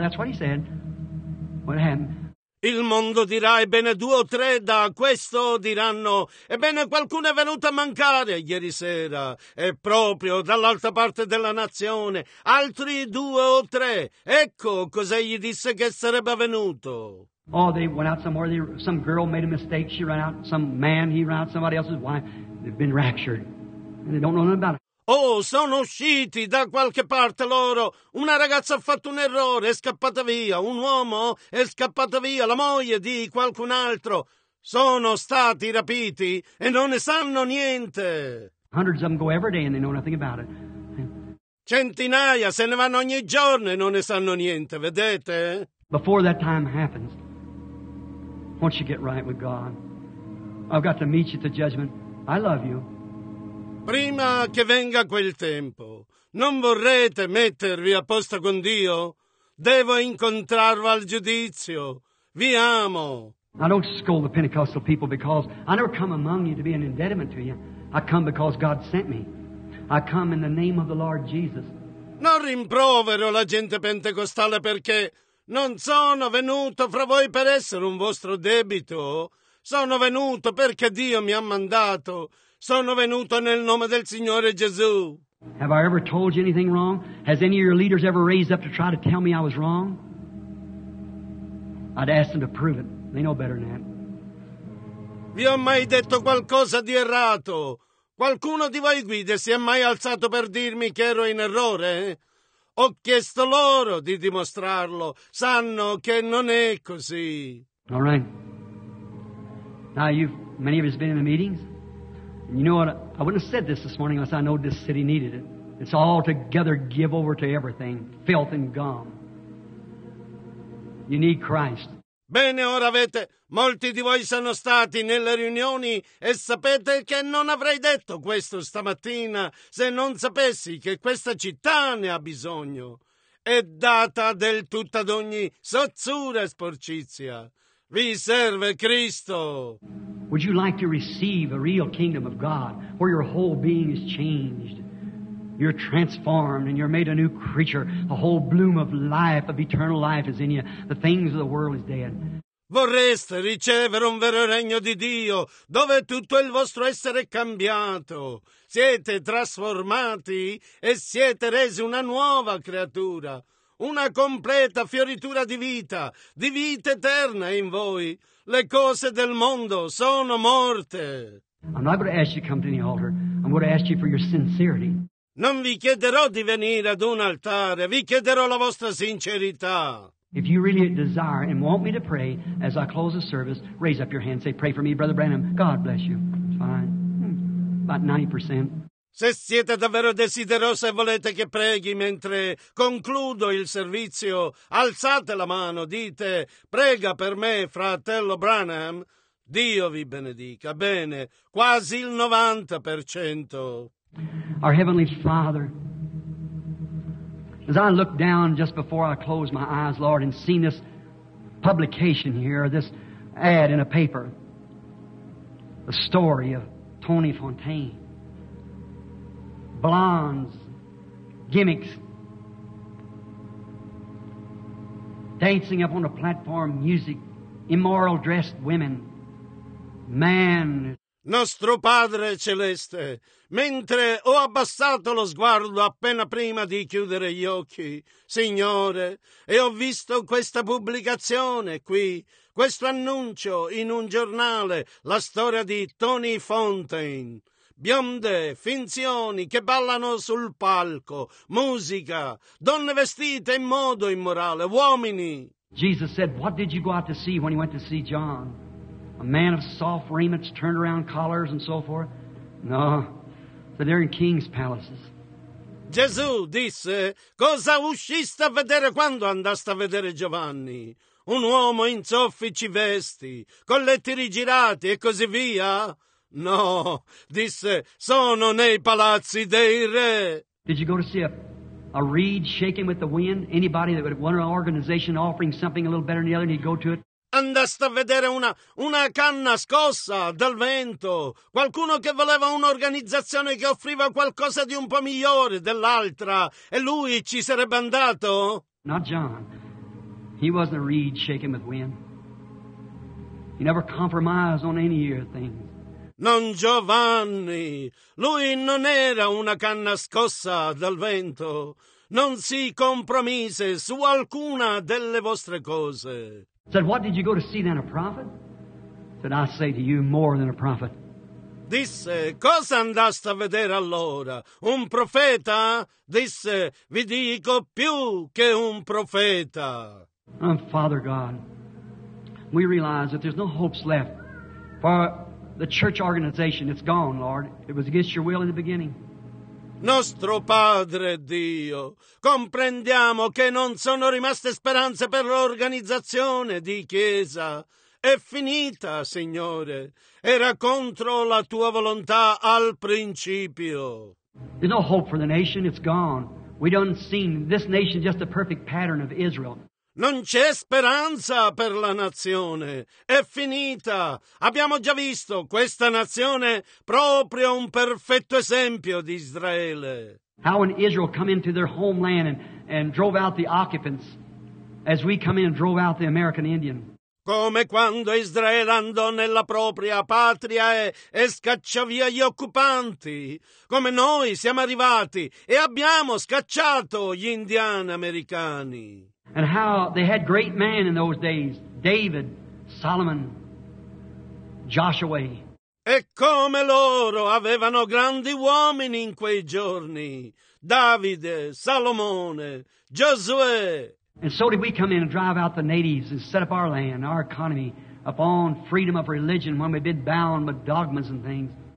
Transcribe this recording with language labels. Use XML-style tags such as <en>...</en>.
<en>That's what he said. What happened?</en> <it>Il mondo dirà, ebbene due o tre da questo diranno, ebbene qualcuno è venuto a mancare ieri sera. E proprio dall'altra parte della nazione, altri due o tre. Ecco cosa gli disse che sarebbe avvenuto.</it> <en>Oh, they went out somewhere. Some girl made a mistake. She ran out. Some man, he ran out. Somebody else's wife. They've been raptured. And they don't know nothing about it.</en> <it>Oh, sono usciti da qualche parte loro. Una ragazza ha fatto un errore, è scappata via. Un uomo è scappato via. La moglie di qualcun altro. Sono stati rapiti e non ne sanno niente.</it> <en>Hundreds of them go every day and they know nothing about it.</en> <it>Centinaia se ne vanno ogni giorno e non ne sanno niente, vedete?</it> <en>Before that time happens, once you get right with God, I've got to meet you at the judgment. I love you.</en> <it>Prima che venga quel tempo, non vorrete mettervi a posto con Dio? Devo incontrarlo al giudizio. Vi amo.</it> <en>I don't scold the Pentecostal people because I never come among you to be an indebtedment to you. I come because God sent me. I come in the name of the Lord Jesus.</en> <it>Non rimprovero la gente pentecostale perché non sono venuto fra voi per essere un vostro debito. Sono venuto perché Dio mi ha mandato. Sono venuto nel nome del Signore Gesù.</it> <en>Have I ever told you anything wrong? Has any of your leaders ever raised up to try to tell me I was wrong? I'd ask them to prove it. They know better than that.</en> <it>Vi ho mai detto qualcosa di errato? Qualcuno di voi guide si è mai alzato per dirmi che ero in errore? Ho chiesto loro di dimostrarlo. Sanno che non è così.</it> <en>All right. Now, you've, many of you have been in the meetings. And you know what? I wouldn't have said this morning unless I know this city needed it. It's all together give over to everything, filth and gum. You need Christ.</en> <it>Bene, ora avete, molti di voi sono stati nelle riunioni e sapete che non avrei detto questo stamattina se non sapessi che questa città ne ha bisogno. È data del tutto ad ogni sozzura e sporcizia. Vi serve Cristo.</it> <en>Would you like to receive a real kingdom of God where your whole being is changed? You're transformed and you're made a new creature. The whole bloom of life, of eternal life is in you. The things of the world is dead.</en> <it>Vorreste ricevere un vero regno di Dio dove tutto il vostro essere è cambiato. Siete trasformati e siete resi una nuova creatura. Una completa fioritura di vita eterna in voi. Le cose del mondo sono morte.</it> <en>I'm not going to ask you to come to the altar. I'm going to ask you for your sincerity.</en> <it>Non vi chiederò di venire ad un altare, vi chiederò la vostra sincerità.</it> <en>If you really desire and want me to pray as I close the service, raise up your hand and say, pray for me, Brother Branham. God bless you. It's fine. About 90%.</en> <it>Se siete davvero desiderosi e volete che preghi mentre concludo il servizio, alzate la mano, dite, prega per me, fratello Branham. Dio vi benedica. Bene, quasi il 90%.</it> <en>Our Heavenly Father, as I look down just before I close my eyes, Lord, and see this publication here, this ad in a paper, the story of Tony Fontaine, blondes, gimmicks, dancing up on a platform, music, immoral dressed women, man.</en> <it>Nostro Padre Celeste, mentre ho abbassato lo sguardo appena prima di chiudere gli occhi, Signore, e ho visto questa pubblicazione qui, questo annuncio in un giornale, la storia di Tony Fontaine, bionde, finzioni che ballano sul palco, musica, donne vestite in modo immorale, uomini.</it> <en>Jesus said, what did you go out to see when you went to see John? A man of soft raiments, turned around collars and so forth? No, but they're in king's palaces.</en> <it>Gesù disse, cosa usciste a vedere quando andaste a vedere Giovanni? Un uomo in soffici vesti, colletti rigirati e così via? No, disse, sono nei palazzi dei re.</it> <en>Did you go to see a reed shaking with the wind? Anybody that would want an organization offering something a little better than the other, and you'd go to it?</en> <it>Andaste a vedere una canna scossa dal vento, qualcuno che voleva un'organizzazione che offriva qualcosa di un po' migliore dell'altra, e lui ci sarebbe andato?</it> <en>Not John. He wasn't a reed shaken with wind. He never compromised on any of your things.</en> <it>Non Giovanni. Lui non era una canna scossa dal vento. Non si compromise su alcuna delle vostre cose.</it> <en>Said, what did you go to see then, a prophet? Said, I say to you, more than a prophet.</en> <it>Disse, cosa andaste a vedere allora? Un profeta? Disse, vi dico più che un profeta.</it> <en>Father God, we realize that there's no hopes left for the church organization. It's gone, Lord. It was against your will in the beginning.</en> <it>Nostro Padre Dio, comprendiamo che non sono rimaste speranze per l'organizzazione di Chiesa. È finita, Signore. Era contro la tua volontà al principio.</it> <en>There's no hope for the nation. It's gone. We don't see this nation just a perfect pattern of Israel.</en> <it>Non c'è speranza per la nazione. È finita. Abbiamo già visto questa nazione proprio un perfetto esempio di Israele.</it> <en>How when Israel come into their homeland and drove out the occupants, as we come in and drove out the American Indian.</en> <it>Come quando Israele andò nella propria patria e scacciò via gli occupanti. Come noi siamo arrivati e abbiamo scacciato gli indiani americani.</it> <en>And how they had great men in those days, David, Solomon, Joshua.</en> <it>E come loro avevano grandi uomini in quei giorni, Davide, Salomone, Josué.</it> <en>And so did we come in and drive out the natives and set up our land, our economy, upon freedom of religion when we've been bound with dogmas and things.</en>